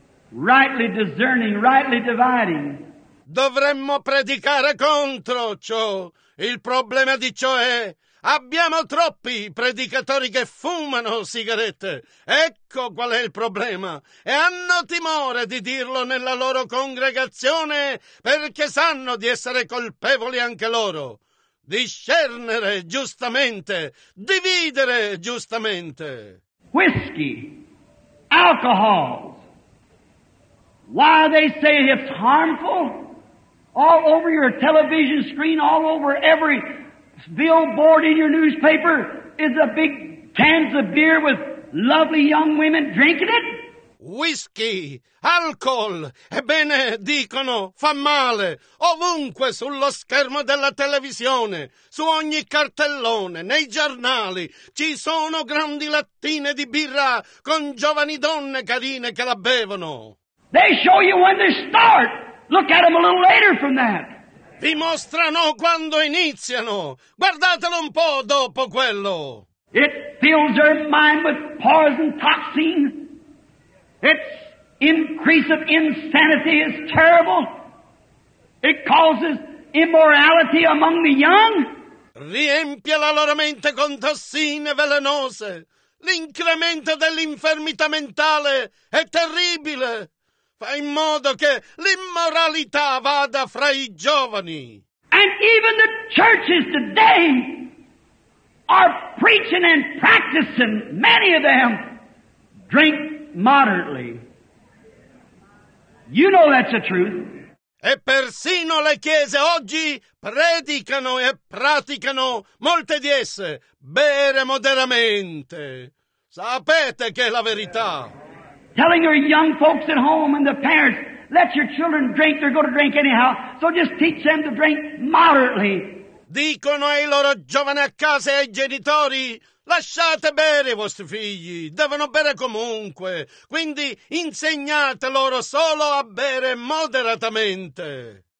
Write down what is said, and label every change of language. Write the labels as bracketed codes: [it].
[en] Rightly discerning, rightly dividing. [it] Dovremmo predicare contro ciò. Il problema di ciò è... Abbiamo troppi predicatori che fumano sigarette. Ecco qual è il problema. E hanno timore di dirlo nella loro congregazione perché sanno di essere colpevoli anche loro. Discernere giustamente, dividere giustamente. [en] Whisky, alcohol. Why they say it's harmful? All over your television screen, all over every... billboard in your newspaper is a big cans of beer with lovely young women drinking it? [it] whisky, alcol, ebbene, dicono, fa male, ovunque sullo schermo della televisione, su ogni cartellone, nei giornali, ci sono grandi lattine di birra con giovani donne carine che la bevono. [en] They show you when they start. Look at them a little later from that. [it] Vi mostrano quando iniziano. Guardatelo un po' dopo quello. [en] It fills your mind with poison toxin. Its increase of insanity is terrible. It causes immorality among the young. [it] Riempie la loro mente con tossine velenose. L'incremento dell'infermità mentale è terribile. Fa in modo che l'immoralità vada fra i giovani. [en] And even the churches today are preaching and practicing, many of them, drink moderately. You know that's the truth. [it] E persino le chiese oggi predicano e praticano, molte di esse, bere moderamente. Sapete che è la verità. [en] Telling your young folks at home and the parents, let your children drink, they're going to drink anyhow, so just teach them to drink moderately. [it] Dicono ai loro giovani a casa e ai genitori, lasciate bere i vostri figli, devono bere comunque, quindi insegnate loro solo a bere moderatamente.